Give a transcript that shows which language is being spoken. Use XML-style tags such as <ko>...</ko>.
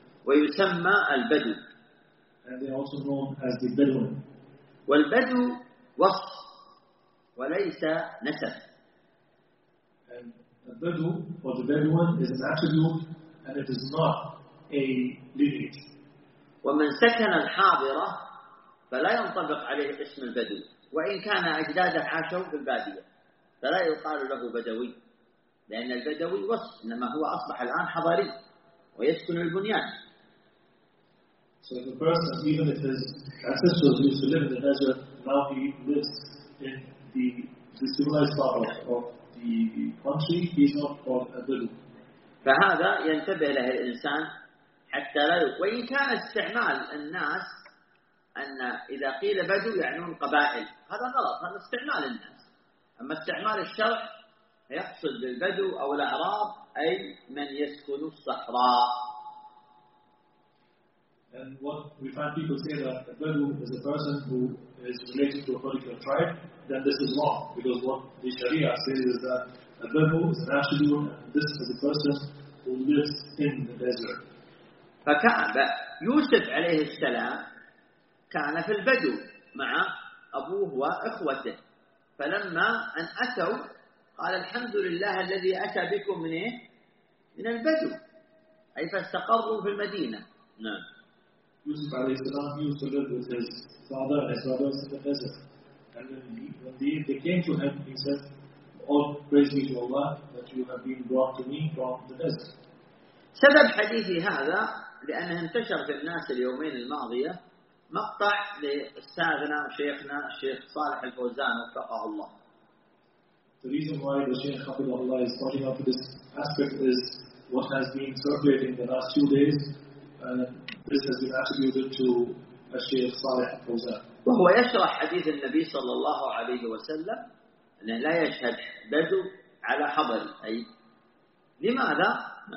<ar>ويسمى البدو.</ar> <en>And they also known as the Bedouin.</en> <ar>والبدو وصف وليس نسب.</ar> <en>And the Bedou or the Bedouin is an attribute and it is not a lineage.</en> <ar>ومن سكن الحاضرة فلا ينطبق عليه اسم البدو. وإن كان أجداده عاشوا في البادية فلا يقال له بدوي لأن البدوي وصف إنما هو أصبح الآن حضاري ويسكن البنيان.</ar> <en>So if a person, even if his ancestors used to live in the desert, now he lives in the civilized part of the country, he's not called a Bedouin.</en> <ar>فهذا ينتبه له الإنسان حتى لا وإن كان استعمال الناس أن إذا قيل بدو يعنون قبائل هذا غلط هذا استعمال الناس أما استعمال الشرع يقصد بالبدو أو الأعراب أي من يسكن الصحراء.</ar> <en>And what we find people say that a Bedou is a person who is related to a particular tribe, then this is wrong because what the Sharia says is that a Bedou is an attribute and this is a person who lives in the desert.</en> <ar>فكعب يوسف عليه السلام كان في البدو مع أبوه وإخوته فلما أن أتوا قال الحمد لله الذي أتى بكم من إيه؟ من البدو أي فاستقروا في المدينة. نعم. يوسف عليه السلام</ar> <en>used to live with his father and his brothers in the desert and when they came to him he said all praise be to Allah that you have been brought to me from the desert.</en> <ar>سبب حديثي هذا لأنه انتشر في الناس اليومين الماضية مقطع لأستاذنا شيخنا الشيخ صالح الفوزان وفقه الله.</ar> <en>The reason why the Shaykh Hafidhullah is talking about this aspect is what has been circulating the last few days. This has been attributed to Shaykh Salih al-Fawzan.</en> <ar>وهو يشرح حديث النبي صلى الله عليه وسلم أنه لا يشهد بدو على حضر أي لماذا؟</ar>